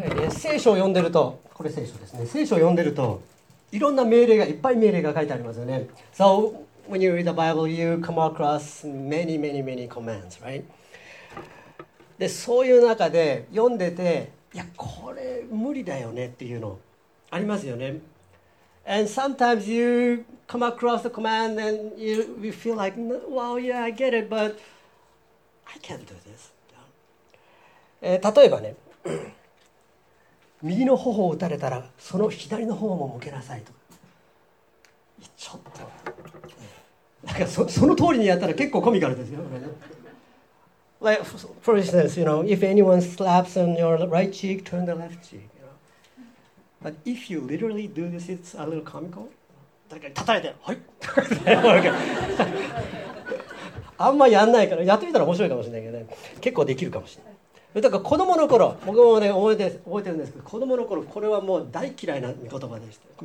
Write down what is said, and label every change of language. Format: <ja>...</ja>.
<ja>聖書を読んでると、これ聖書ですね。聖書を読んでると、いろんな命令がいっぱい命令が書いてありますよね。</ja> <en>So when you read the Bible, you come across many, many, many commands, right?</en> <ja>で、そういう中で読んでて、いやこれ無理だよねっていうのありますよね。</ja> <en>And sometimes you come across the command and you feel like, well, yeah, I get it, but I can't do this.</en> <ja>例えばね、右の頬を打たれたらその左の頬も向けなさいとか、ちょっとなんか その通りにやったら結構コミカルですよ。</ja> <en>Like, for instance, you know, if anyone slaps on your right cheek, turn the left cheek. You know? But if you literally do this, it's a little comical.</en> <ja>誰かに叩いて、はい。あんまやんないから、やってみたら面白いかもしれないけどね。結構できるかもしれない。だから子供の頃、僕もね、覚えてるんですけど、子供の頃、これはもう大嫌いな言葉でした。</ja>